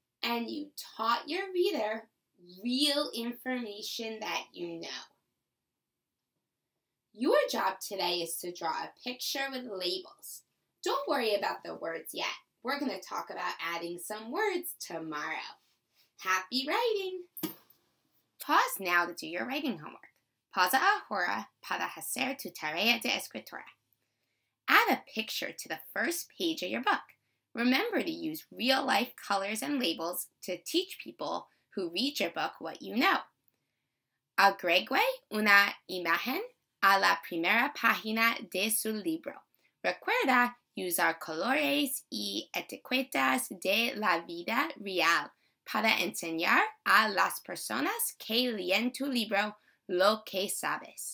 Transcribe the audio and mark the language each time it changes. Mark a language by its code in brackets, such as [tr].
[en] And you taught your reader real information that you know. Your job today is to draw a picture with labels. Don't worry about the words yet. We're going to talk about adding some words tomorrow. Happy writing! Pause now to do your writing homework. [es] Pausa ahora para hacer tu tarea de escritura. [en] Add a picture to the first page of your book. Remember to use real-life colors and labels to teach people who read your book what you know. [es] Agregue una imagen a la primera página de su libro. Recuerda usar colores y etiquetas de la vida real para enseñar a las personas que leen tu libro lo que sabes.